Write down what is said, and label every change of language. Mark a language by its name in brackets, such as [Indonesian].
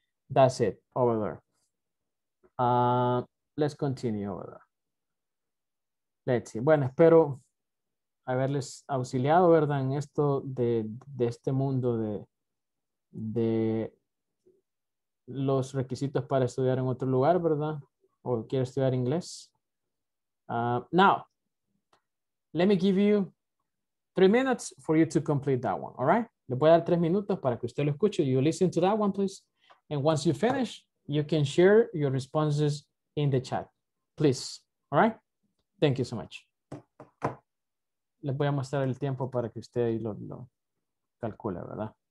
[English] That's it, over there. Let's continue over there. Let's see. [Spanish] Bueno, espero haberles auxiliado, ¿verdad? En esto de este mundo de los requisitos para estudiar en otro lugar, ¿verdad? O quiere estudiar inglés. [English] Now, let me give you 3 minutes for you to complete that one, all right? [Spanish] Le voy a dar 3 minutos para que usted lo escuche. [English] You listen to that one, please. And once you finish, you can share your responses in the chat, please, all right? Thank you so much. [Spanish] Les voy a mostrar el tiempo para que usted lo calcule, ¿verdad?